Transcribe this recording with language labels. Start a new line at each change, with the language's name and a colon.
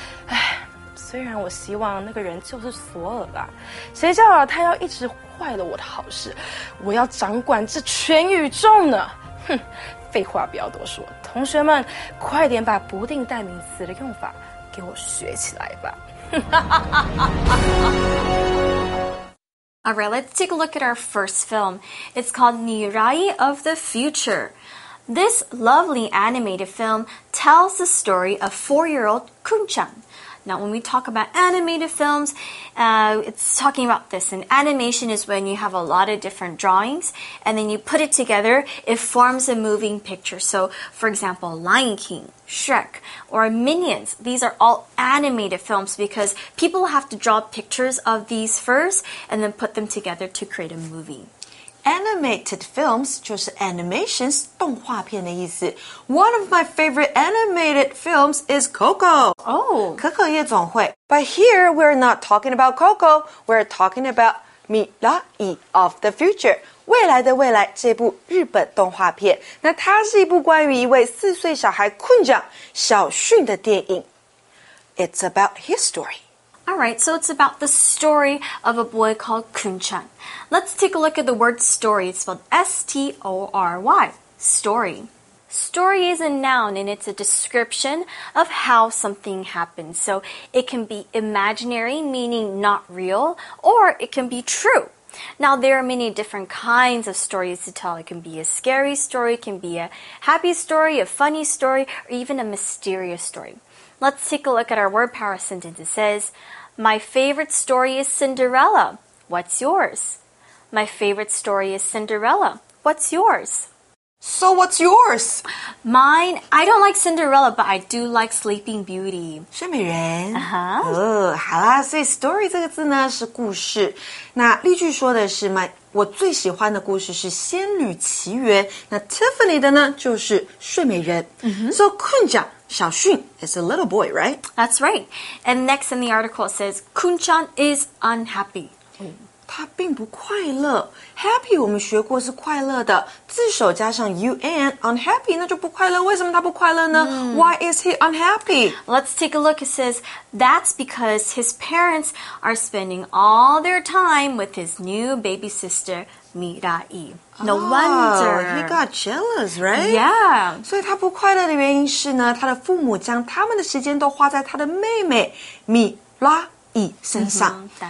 Chinese: 唉，虽然我希望那个人就是索尔吧，谁叫啊他要一直坏了我的好事，我要掌管这全宇宙呢。哼，废话不要多说，同学们快点把不定代名词的用法给我学起来吧。
English: Alright, let's take a look at our first film. It's called Nirai of the Future. This lovely animated film tells the story of 4-year-old Kun-chan. Now, when we talk about animated films, it's talking about this. And animation is when you have a lot of different drawings and then you put it together, it forms a moving picture. So, for example, Lion King, Shrek, or Minions, these are all animated films because people have to draw pictures of these first and then put them together to create a movie.
Chinese: Animated films 就是 animations 动画片的意思。
English: One of my favorite animated films is Coco. Oh,
Chinese: 可可夜总会。
English: But here we're not talking about Coco. We're talking about Mirai of the Future.
Chinese: 未来的未来这部日本动画片。那它是一部关于一位四岁小孩困长小训的电影。
English: It's about his story. Alright, so it's about the story of a boy called Kun-chan. Let's take a look at the word story. It's spelled S-T-O-R-Y, story. Story is a noun and it's a description of how something happened. So it can be imaginary, meaning not real, or it can be true. Now, there are many different kinds of stories to tell. It can be a scary story, it can be a happy story, a funny story, or even a mysterious story. Let's take a look at our word power sentence. It says, My favorite story is Cinderella. What's yours? My favorite story is Cinderella. What's yours? So what's yours? Mine, I don't like Cinderella, but I do like Sleeping Beauty.
Chinese: 睡美人。
English: Uh-huh.
Chinese: 哦，好啦，所以 story 这个字呢是故事。那例句说的是 my, 我最喜欢的故事是仙女奇缘。那 Tiffany 的呢就是睡美人。
English: Mm-hmm. So 困长小训 is a little boy, right? That's right. And next in the article it says, Kun-chan is unhappy.
Chinese: Oh. 他并不快乐。Happy 我们学过是快乐的，自首加上 un, unhappy 那就不快乐。为什么他不快乐呢？
English: Why is he unhappy? Let's take a look. It says, that's because his parents are spending all their time with his new baby sister, Mirai. No wonder. He got jealous, right? Yeah.
Chinese: 所以他不快乐的原因是呢，他的父母将他们的时间都花在他的妹妹 Mirai 身上。